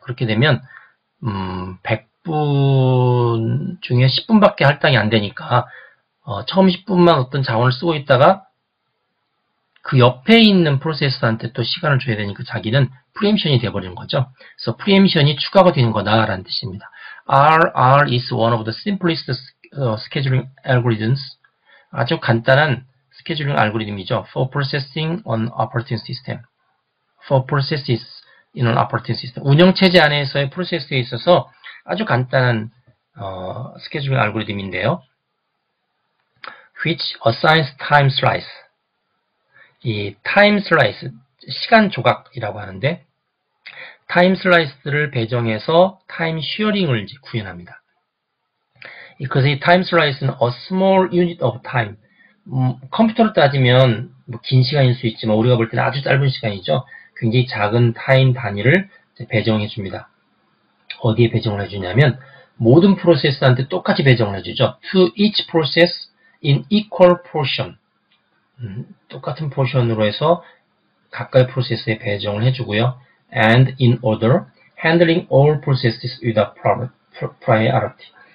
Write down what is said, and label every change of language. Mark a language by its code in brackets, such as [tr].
[ko] 그렇게 되면 100분 중에 10분밖에 할당이 안 되니까 처음 10분만 어떤 자원을 쓰고 있다가 그 옆에 있는 프로세서한테 또 시간을 줘야 되니까 자기는 프리엠션이 돼버리는 거죠. 그래서 프리엠션이 추가가 되는 거다라는 뜻입니다. [en] RR is one of the simplest scheduling algorithms. [ko] 아주 간단한 스케줄링 알고리즘이죠. [en] For processing on operating system. For processes in an operating system. [ko] 운영체제 안에서의 프로세스에 있어서 아주 간단한 스케줄링 알고리즘인데요. [en] Which assigns time slice. [ko] 이 time slice, 시간 조각이라고 하는데, 타임 슬라이스를 배정해서 타임 쉐어링을 구현합니다. 그래서 이 타임 슬라이스는 [en] a small unit of time. [ko] 컴퓨터로 따지면 뭐긴 시간일 수 있지만 우리가 볼 때는 아주 짧은 시간이죠. 굉장히 작은 타임 단위를 배정해 줍니다. 어디에 배정을 해주냐면 모든 프로세스한테 똑같이 배정을 해주죠. [en] To each process in equal portion. [ko] 똑같은 포션으로 해서 각각의 프로세스에 배정을 해주고요. [en] And in order, handling all processes without priority.